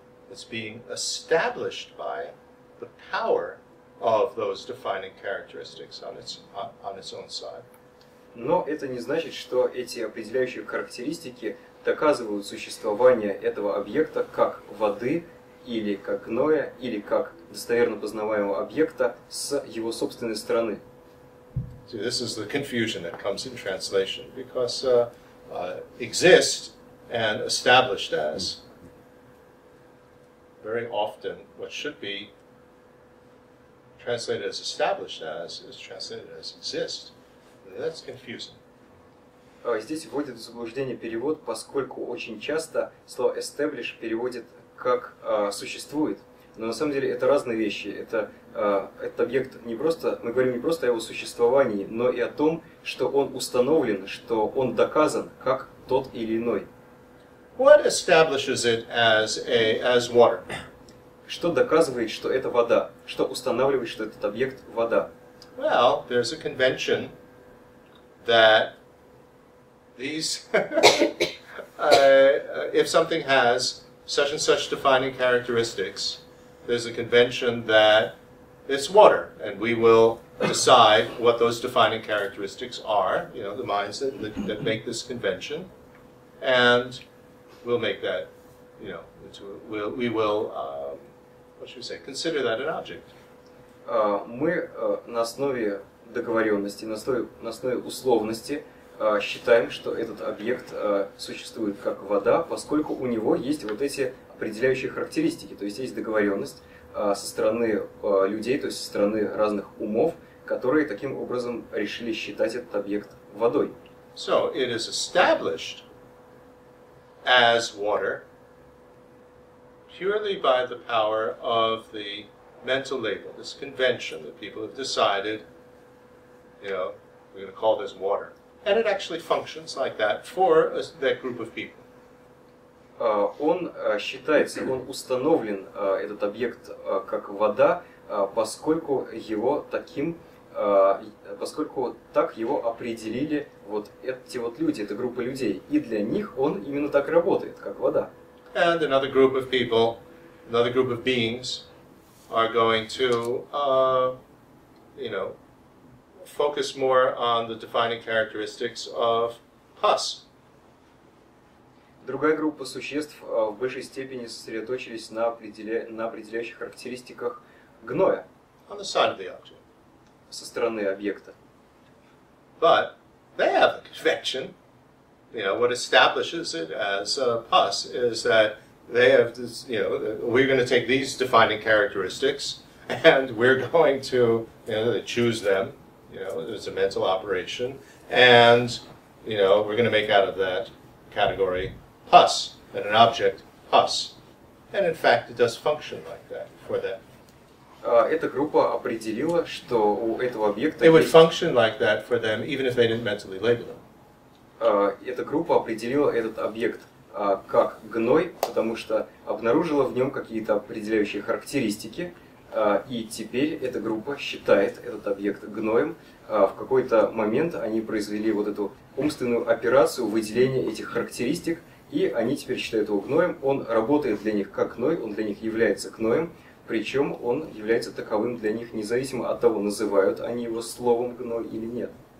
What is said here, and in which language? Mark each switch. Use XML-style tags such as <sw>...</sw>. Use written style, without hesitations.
<en>It's being established by the power of those defining characteristics on its own side.</en> <ru>Но это не значит, что эти определяющие характеристики доказывают существование этого объекта как воды или как гноя или как достоверно познаваемого объекта с его собственной стороны.</ru> <en>See, this is the confusion that comes in translation because exist and established as, very often what should be translated as established as is translated as exist. That's confusing.</en> <ru>Здесь вводит в заблуждение перевод, поскольку очень часто слово establish переводит как существует. Но на самом деле это разные вещи. Этот объект не просто, мы говорим не просто о его существовании, но и о том, что он установлен, что он доказан как тот или иной.</ru> <en>What establishes it as water?</en> <ru>Что доказывает, что это вода? Что устанавливает, что этот объект вода?</ru> <en>Well, there's a convention that these if something has such and such defining characteristics, there's a convention that it's water, and we will decide what those defining characteristics are, you know, the minds that make this convention, and we'll make that, you know, consider that an object.</en> <ru>Мы на основе договоренности, на основе условности считаем, что этот объект существует как вода, поскольку у него есть вот эти определяющие характеристики, то есть договоренность со стороны людей, то есть со стороны разных умов, которые таким образом решили считать этот объект водой.</ru> <en>So it is established as water purely by the power of the mental label, this convention that people have decided, you know, we're going to call this water. And it actually functions like that for that group of people.</en> <ru>Он считается, он установлен, этот объект, как вода, поскольку его таким, поскольку так его определили вот эти вот люди, эта группа людей. И для них он именно так работает, как вода.</ru> <en>And another group of people, another group of beings are going to, you know, focus more on the defining characteristics of pus.</en> <ru>Другая группа существ в большей степени сосредоточились на определяющих характеристиках гноя.</ru> <en>On the side of the object.</en> <ru>Со стороны объекта.</ru> <en>But they have a convention. You know, what establishes it as pus is that they have this, you know, we're going to take these defining characteristics and we're going to, you know, they choose them. You know, it's a mental operation. And, you know, we're going to make out of that category pus, and an object pus. And in fact, it does function like that for them.</en> <ru>Эта группа определила, что у этого объекта...</ru> <en>It would function like that for them, even if they didn't mentally label them.</en> <ru>Эта группа определила этот объект как гной, потому что обнаружила в нем какие-то определяющие характеристики, и теперь эта группа считает этот объект гноем. В какой-то момент они произвели вот эту умственную операцию выделения этих характеристик, и они теперь считают его гноем, он работает для них как гной, он для них является гноем, причем он является таковым для них, независимо от того, называют они его словом гной или нет.</ru>